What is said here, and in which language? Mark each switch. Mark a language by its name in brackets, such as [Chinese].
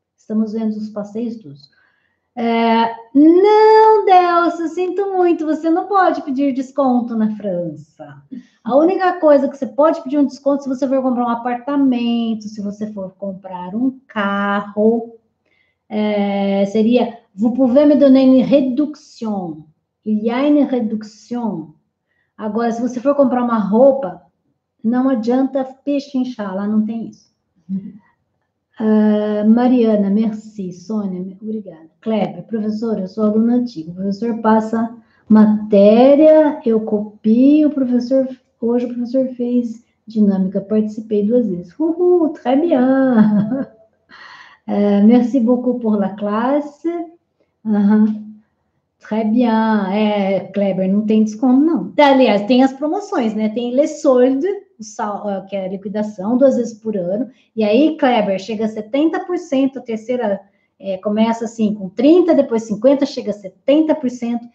[Portuguese] Estamos vendo os passeios todos. Não, Delcio, sinto muito. Você não pode pedir desconto na França. A única coisa que você pode pedir um desconto se você for comprar um apartamento, se você for comprar um carro, seria... [French] Vous pouvez me donner une réduction. Il y a une réduction. [Portuguese] Agora, se você for comprar uma roupa, não adianta pechinchar, lá não tem isso. Mariana, merci. Sônia, obrigada. Kleber, professor, eu sou aluna antiga. O professor passa matéria, eu copio. Hoje o professor fez dinâmica, participei duas vezes. [French] Uhul, très bien. Merci beaucoup pour la classe. Très bien, [Portuguese] Kleber, não tem desconto, não. Aliás, tem as promoções, né? Tem Le Solde, que é a liquidação, duas vezes por ano. E aí, Kleber, chega a 70%, a terceira começa assim com 30%, depois 50%, chega a 70%.